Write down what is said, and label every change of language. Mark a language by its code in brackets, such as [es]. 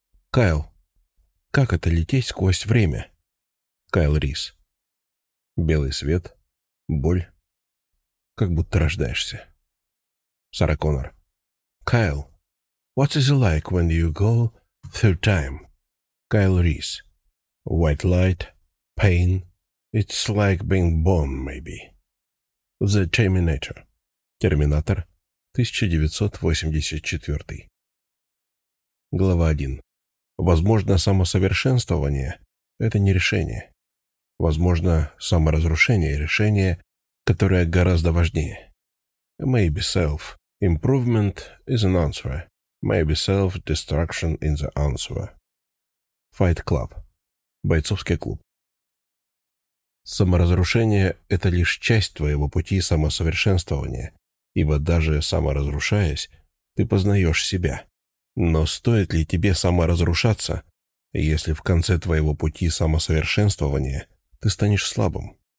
[ru] Кайл, как это лететь сквозь время? Кайл Рис. Белый свет, боль, как будто рождаешься. Сара Коннор. [en] Кайл, what is it like when you go through time? [ru] Кайл Рис. [en] White light, pain, it's like being born, maybe. [ru] The Terminator. Терминатор, 1984. Глава 1. Возможно, самосовершенствование — это не решение. Возможно, саморазрушение — решение, которое гораздо важнее. [en] Maybe self-improvement is an answer. Maybe self-destruction is the answer. Fight Club. Бойцовский клуб. [ru] Саморазрушение — это лишь часть твоего пути самосовершенствования, ибо даже саморазрушаясь, ты познаешь себя. Но стоит ли тебе саморазрушаться, если в конце твоего пути самосовершенствования ты станешь слабым?